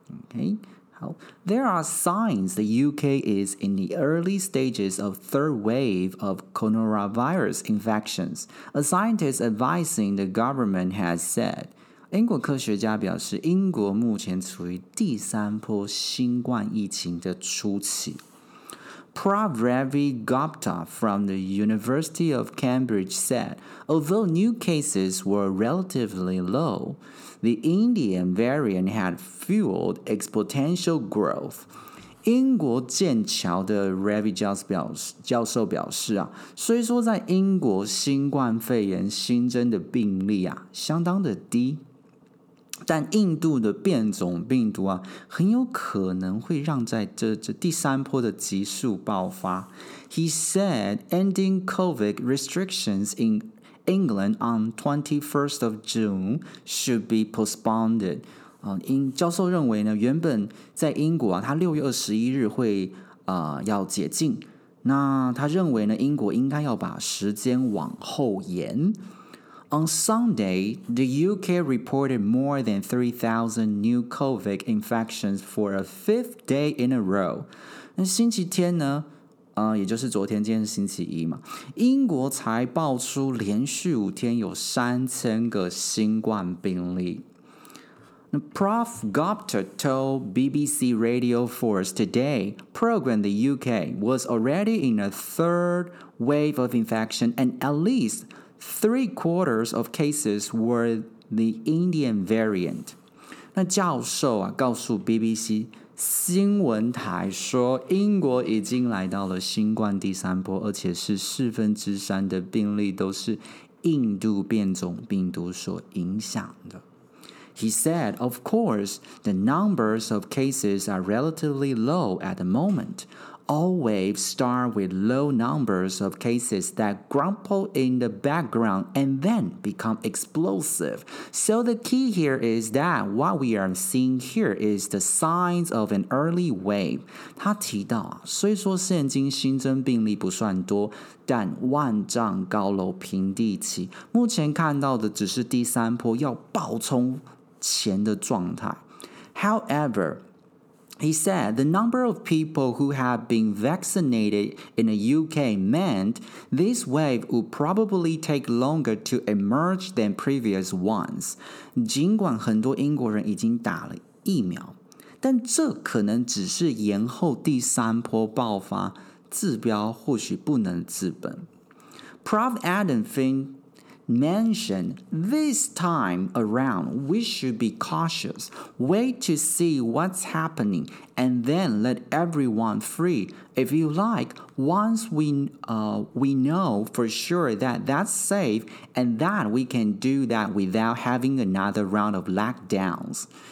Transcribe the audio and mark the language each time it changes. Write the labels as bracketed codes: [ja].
[en] Okay， [zh] 好， [en] There are signs the UK is in the early stages of third wave of coronavirus infections, a scientist advising the government has said。 [zh] 英国科学家表示英国目前处于第三波新冠疫情的初期。 [en] Prof. Ravi Gupta from the University of Cambridge said, although new cases were relatively low, the Indian variant had fueled exponential growth. [zh] 英国剑桥的 Ravi 教授表示啊，虽说在英国新冠肺炎新增的病例啊相当的低，但印度的变种病毒啊，很有可能会让在这第三波的急速爆发。 [en] He said ending COVID restrictions in England on 21st of June should be postponed. [zh] 教授认为呢，原本在英国啊，他6月21日会要解禁，那他认为呢，英国应该要把时间往后延。 [en] On Sunday, the UK reported more than 3,000 new COVID infections for a fifth day in a row. [zh] 那星期天呢？也就是昨天，今天是星期一嘛。英国才爆出连续五天有3000个新冠病例。 [en] Prof. Gupta told BBC Radio 4's Today program the UK was already in a third wave of infection and at least... 3/4 of cases were the Indian variant. [zh] 那教授啊，告诉 BBC 新闻台说，英国已经来到了新冠第三波，而且是3/4的病例都是印度变种病毒所影响的。 [en] He said, of course, the numbers of cases are relatively low at the moment. All waves start with low numbers of cases that grumble in the background and then become explosive. So the key here is that what we are seeing here is the signs of an early wave. [zh] 他提到，虽说现今新增病例不算多，但万丈高楼平地起，目前看到的只是第三波要爆冲前的状态。 [en] However,He said the number of people who have been vaccinated in the UK meant this wave would probably take longer to emerge than previous ones. [zh] 尽管很多英国人已经打了疫苗，但这可能只是延后第三波爆发，治标或许不能治本。 [en] Prof. Adam Finn mentioned this time around we should be cautious, wait to see what's happening, and then let everyone free, if you like, once we know for sure that that's safe and that we can do that without having another round of lockdowns.